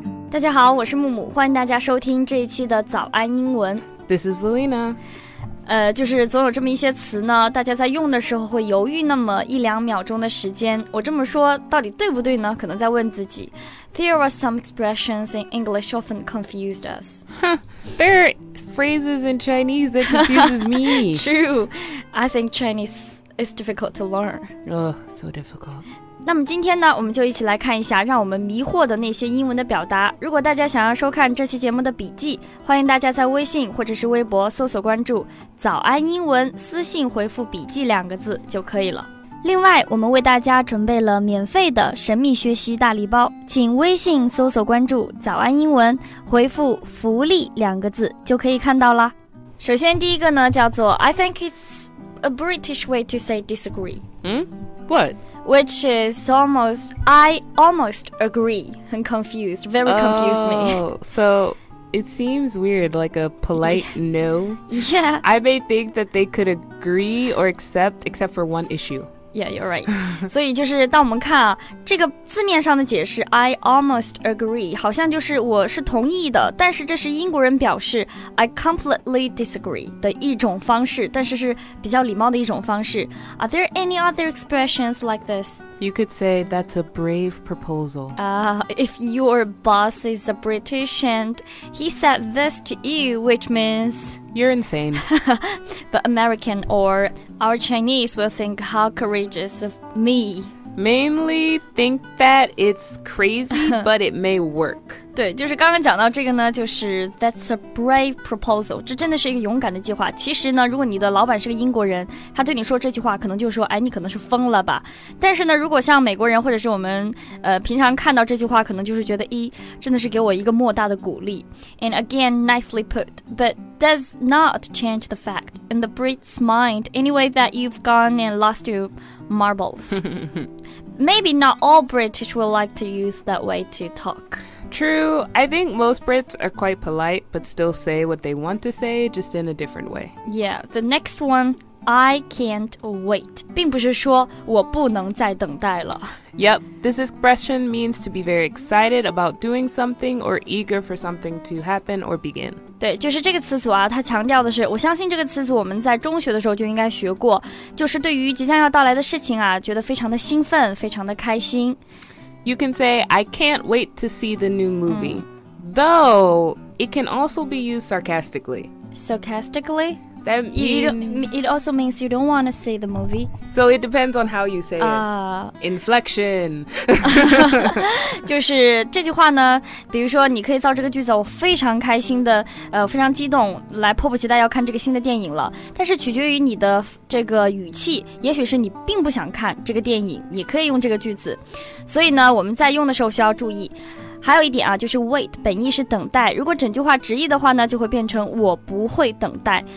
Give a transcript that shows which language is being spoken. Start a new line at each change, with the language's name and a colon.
Chinese: 大家好，我是木木，欢迎大家收听这一期的早安英文。
English: This is Selena。
Chinese: 就是总有这么一些词呢，大家在用的时候会犹豫那么一两秒钟的时间。我这么说到底对不对呢？可能在问自己。
English: There are some expressions in English often confused us. There are phrases in Chinese that confuses me. True. I think Chinese is difficult to learn. Oh, so difficult.
Chinese: 那么今天呢，我们就一起来看一下让我们迷惑的那些英文的表达。如果大家想要收看这期节目的笔记，欢迎大家在微信或者是微博搜索关注早安英文，私信回复笔记两个字就可以了。另外，我们为大家准备了免费的神秘学习大礼包，请微信搜索关注早安英文，回复福利两个字就可以看到了。首先第一个呢，叫做
English: I think it's a British way to say disagree. What? Which is almost, I almost agree. I'm confused, very confused me. So it seems weird, like a polite no. Yeah. I may think that they could agree or accept, except for one issue. Yeah, you're right.
Chinese: 所以就是当我们看啊，这个字面上的解释
English: I almost agree,
Chinese: 好像就是我是同意的，但是这是英国人表示
English: I completely disagree
Chinese: 的一种方式，但是是比较礼貌的一种方式。
English: Are there any other expressions like this? You could say that's a brave proposal. If your boss is a British and he said this to you, which means... You're insane. But American or our Chinese will think how courageous of me. Mainly think that it's crazy, but it may work.
Chinese: 对，就是刚刚讲到这个呢，就是
English: that's a brave proposal.
Chinese: 这真的是一个勇敢的计划。其实呢，如果你的老板是个英国人，他对你说这句话，可能就说，哎，你可能是疯了吧。但是呢，如果像美国人或者是我们平常看到这句话，可能就是觉得，咦，真的是给我一个莫大的鼓励。
English: And again, nicely put, but does not change the fact in the Brit's mind anyway that you've gone and lost your marbles. Maybe not all British will like to use that way to talk. True, I think most Brits are quite polite, but still say what they want to say, just in a different way. Yeah, the next one, I can't wait,
Chinese: 并不是说我不能再等待了。
English: Yep, this expression means to be very excited about doing something or eager for something to happen or begin.
Chinese: 对，就是这个词组啊，它强调的是，我相信这个词组我们在中学的时候就应该学过，就是对于即将要到来的事情啊，觉得非常的兴奋，非常的开心。
English: You can say, I can't wait to see the new movie. Though, it can also be used sarcastically. Sarcastically? That means... It also means you don't want to see the movie. So it depends on how you say it. Inflection.
Chinese: 就是这句话呢，比如说你可以造这个句子，我非常开心的，非常激动，来迫不及待要看这个新的电影了。但是取决于你的这个语气，也许是你并不想看这个电影，也可以用这个句子。所以呢，我们在用的时候需要注意。还有一点啊，就是 wait 本意是等待，如果整句话直译的话呢，就会变成我不会等待。